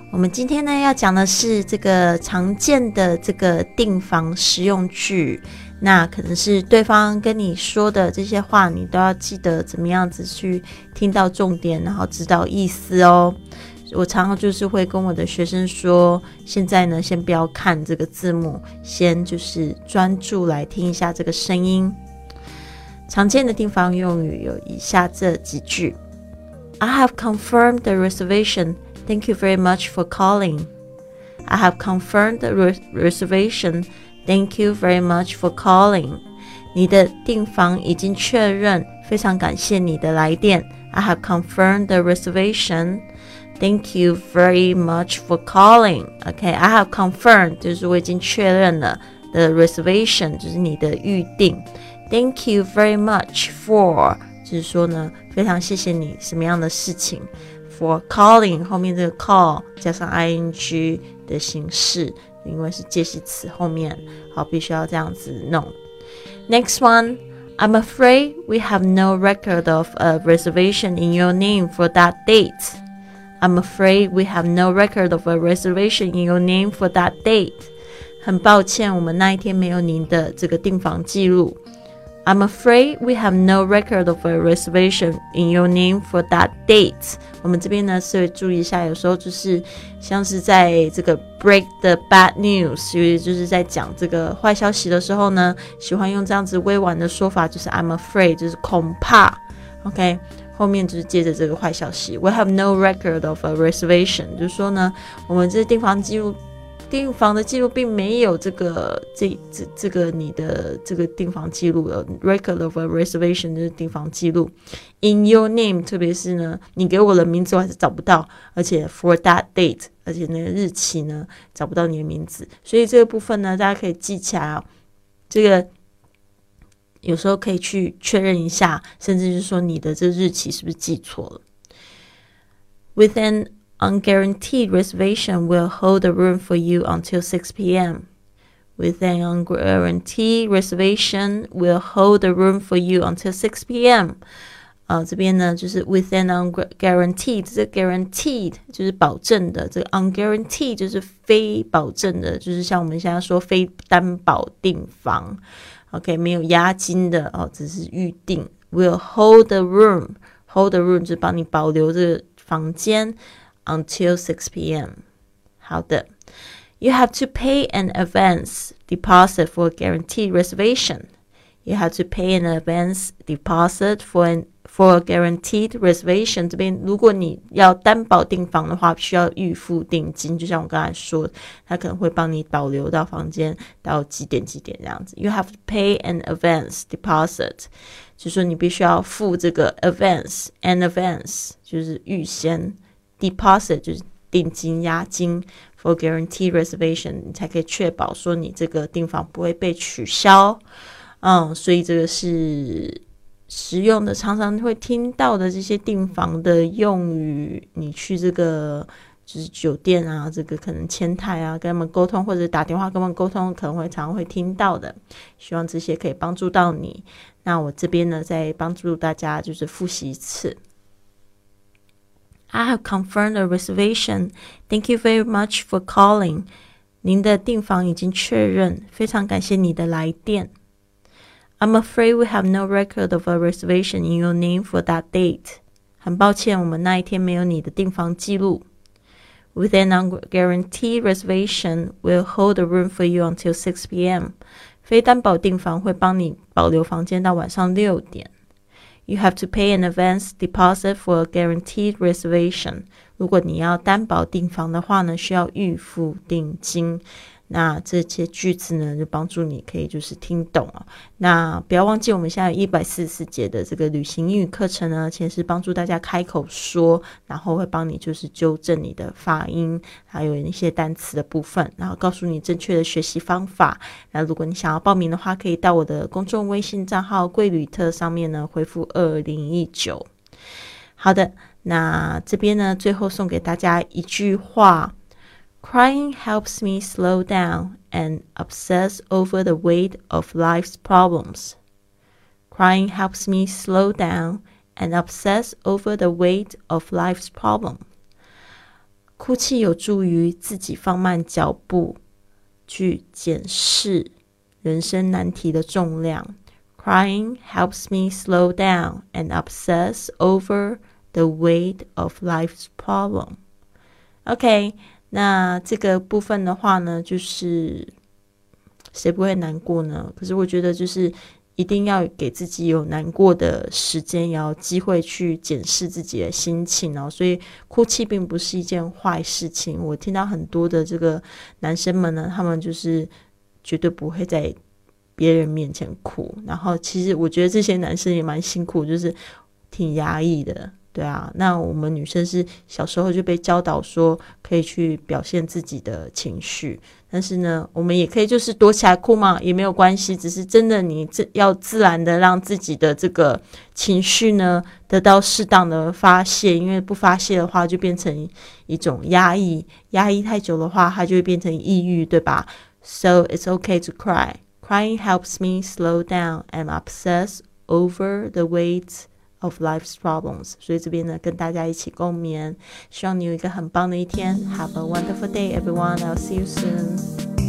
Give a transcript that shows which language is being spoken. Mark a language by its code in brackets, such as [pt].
[zh] 我们今天呢要讲的是这个常见的这个订房实用句，那可能是对方跟你说的这些话，你都要记得怎么样子去听到重点，然后知道意思哦。我常常就是会跟我的学生说，现在呢先不要看这个字幕，先就是专注来听一下这个声音。常见的订房用语有以下这几句。 [en] I have confirmed the reservationThank you very much for calling. I have confirmed the reservation. Thank you very much for calling. [zh] 你的订房已经确认，非常感谢你的来电。 [en] I have confirmed the reservation. Thank you very much for calling. Okay, I have confirmed, [zh] 就是我已经确认了 [en] the reservation, [zh] 就是你的预订。 [en] Thank you very much for, [zh] 就是说呢，非常谢谢你什么样的事情。 [en] For calling [zh] 后面这个 call 加上 ing 的形式，因为是介系词，后面好必须要这样子弄。 [en] Next one, I'm afraid we have no record of a reservation in your name for that date. I'm afraid we have no record of a reservation in your name for that date. [zh] 很抱歉，我们那一天没有您的这个订房记录。 [en] I'm afraid we have no record of a reservation in your name for that date. [zh] 我们这边呢是注意一下，有时候就是像是在这个 [en] break the bad news， [zh] 就是在讲这个坏消息的时候呢，喜欢用这样子委婉的说法，就是 [en] I'm afraid， [zh] 就是恐怕。 OK， 后面就是接着这个坏消息。 [en] We have no record of a reservation， [zh] 就是说呢，我们这订房记录。订房的记录并没有这个 这个你的这个订房记录的 [en] record of a reservation [zh] 就是订房记录 [en] in your name， [zh] 特别是呢你给我的名字我还是找不到，而且 [en] for that date， [zh] 而且那个日期呢找不到你的名字，所以这个部分呢大家可以记起来、哦、这个有时候可以去确认一下，甚至是说你的这日期是不是记错了。 [en] With anUnguaranteed reservation will hold the room for you until 6 p.m. With an unguaranteed reservation will hold the room for you until 6 p.m.、 [zh] 这边呢就是 [en] with an unguaranteed， [zh] 这 guaranteed 就是保证的，这 unguaranteed 就是非保证的，就是像我们现在说非担保订房， OK， 没有押金的、哦、只是预订。 [en] Will hold the room， hold the room [zh] 就是帮你保留这个房间 [en] Until 6 p.m. [zh] 好的。 [en] You have to pay an advance deposit for a guaranteed reservation. You have to pay an advance deposit for a guaranteed reservation. [zh] 这边如果你要担保订房的话，需要预付定金，就像我刚才说，他可能会帮你保留到房间到几点几点这样子。 [en] You have to pay an advance deposit， [zh] 就是说你必须要付这个 advance， an advance 就是预先deposit 就是定金押金 [en] for guaranteed reservation， [zh] 你才可以确保说你这个订房不会被取消。嗯，所以这个是实用的，常常会听到的这些订房的用语。你去这个就是酒店啊，这个可能前台啊跟他们沟通，或者打电话跟他们沟通，可能会常会听到的，希望这些可以帮助到你。那我这边呢再帮助大家就是复习一次。 [en] I have confirmed a reservation. Thank you very much for calling. [zh] 您的订房已经确认，非常感谢你的来电。 [en] I'm afraid we have no record of a reservation in your name for that date. [zh] 很抱歉，我们那一天没有你的订房记录。 [en] With an unguaranteed reservation, we'll hold the room for you until 6 p.m. [zh] 非担保订房会帮你保留房间到晚上6点。 [en] You have to pay an advance deposit for a guaranteed reservation. [zh] 如果你要担保订房的话呢，需要预付定金。那这些句子呢就帮助你可以就是听懂哦。那不要忘记我们现在有144节的这个旅行英语课程呢，其实是帮助大家开口说，然后会帮你就是纠正你的发音，还有一些单词的部分，然后告诉你正确的学习方法。那如果你想要报名的话，可以到我的公众微信账号贵旅特上面呢回复2019。好的，那这边呢最后送给大家一句话。 [en] Crying helps me slow down and obsess over the weight of life's problems. Crying helps me slow down and obsess over the weight of life's problem. 哭泣有助于自己放慢脚步，去检视人生难题的重量。 Crying helps me slow down and obsess over the weight of life's problem. Okay. [zh] 那这个部分的话呢，就是谁不会难过呢？可是我觉得就是一定要给自己有难过的时间，也要机会去检视自己的心情哦。所以哭泣并不是一件坏事情。我听到很多的这个男生们呢，他们就是绝对不会在别人面前哭。然后其实我觉得这些男生也蛮辛苦，就是挺压抑的。对啊，那我们女生是小时候就被教导说可以去表现自己的情绪，但是呢我们也可以就是躲起来哭嘛，也没有关系，只是真的你要自然的让自己的这个情绪呢得到适当的发泄，因为不发泄的话就变成一种压抑，压抑太久的话它就会变成抑郁，对吧？ [en] So it's okay to cry. Crying helps me slow down and obsess over the weightof life's problems. [zh] 所以这边呢跟大家一起共勉，希望你有一个很棒的一天。 [en] Have a wonderful day everyone. I'll see you soon.